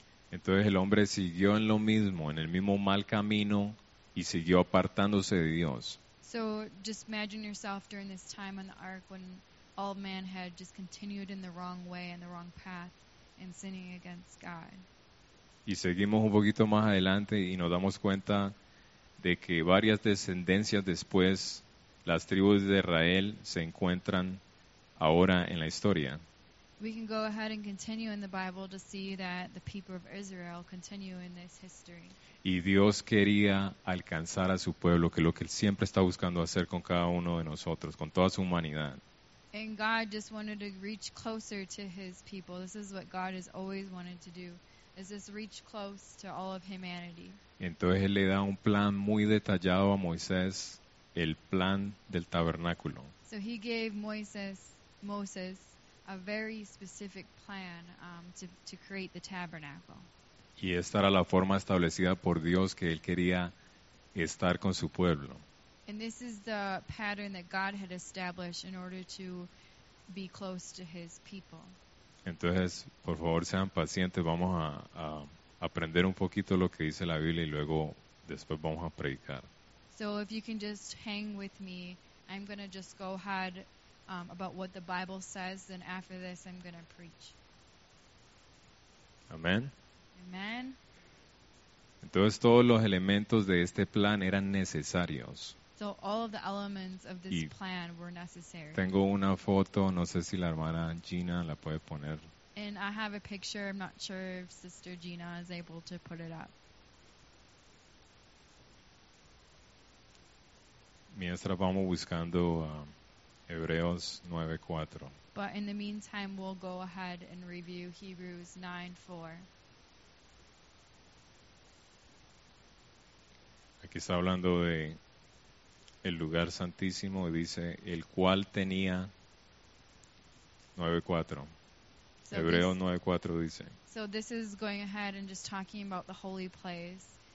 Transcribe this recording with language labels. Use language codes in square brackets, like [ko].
[es] Entonces el hombre siguió en lo mismo, en el mismo mal camino y siguió apartándose de Dios. [en] So just imagine yourself during this time on the ark when all man had just continued in the wrong way and the wrong path and sinning against God. [es] Y seguimos un poquito más adelante y nos damos cuenta de que varias descendencias después, las tribus de Israel se encuentran ahora en la historia. [en] We can go ahead and continue in the Bible to see that the people of Israel continue in this history. [es] Y Dios quería alcanzar a su pueblo, que es lo que él siempre está buscando hacer con cada uno de nosotros, con toda su humanidad. [en] And God just wanted to reach closer to his people. This is what God has always wanted to do, is just reach close to all of humanity. [es] Entonces él le da un plan muy detallado a Moisés, el plan del tabernáculo. [en] So he gave Moses a very specific plan to create the tabernacle. [es] Y esta era la forma establecida por Dios que él quería estar con su pueblo. [en] And this is the pattern that God had established in order to be close to his people. [es] Entonces, por favor, sean pacientes, vamos a aprender un poquito lo que dice la Biblia y luego después vamos a predicar. [en] So if you can just hang with me, I'm going to just go ahead about what the Bible says, then after this I'm going to preach. [es] Amen. [en] Amen. [es] Entonces todos los elementos de este plan eran necesarios. [en] So all of the elements of this plan were necessary. [es] Tengo una foto, no sé si la hermana Gina la puede poner. [en] And I have a picture, I'm not sure if Sister Gina is able to put it up. [es] Mientras vamos buscando Hebreos 9:4. [en] But in the meantime, we'll go ahead and review Hebrews 9:4. [es] Aquí está hablando de el lugar santísimo y dice el cual tenía 9:4. So Hebreos 9:4 dice. [en] So this is going ahead and just talking about the holy place.